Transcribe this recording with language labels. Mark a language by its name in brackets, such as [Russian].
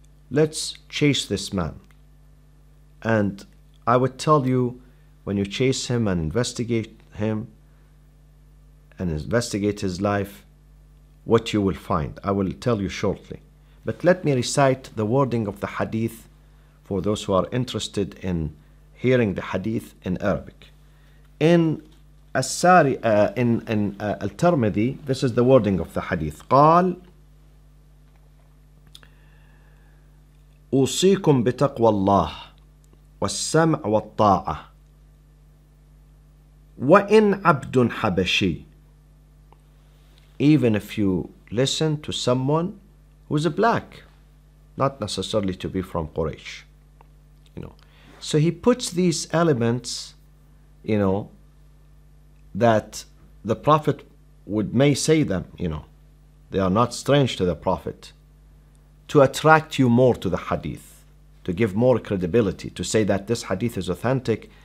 [English] Let's chase this man. And I would tell you, when you chase him and investigate him and investigate his life, what you will find, I will tell you shortly. But let me recite the wording of the hadith for those who are interested in hearing the hadith in Arabic. In As-Sari, in Al-Tirmidhi, this is the wording of the hadith. [Arabic] قال أوصيكم بتقوى الله والسمع والطاعة وإن عبد حبشي [English] even if you listen to someone who's a black, not necessarily to be from Quraysh, you know. So he puts these elements, you know, that the Prophet would may say them, you know, they are not strange to the Prophet, to attract you more to the Hadith, to give more credibility, to say that this Hadith is authentic.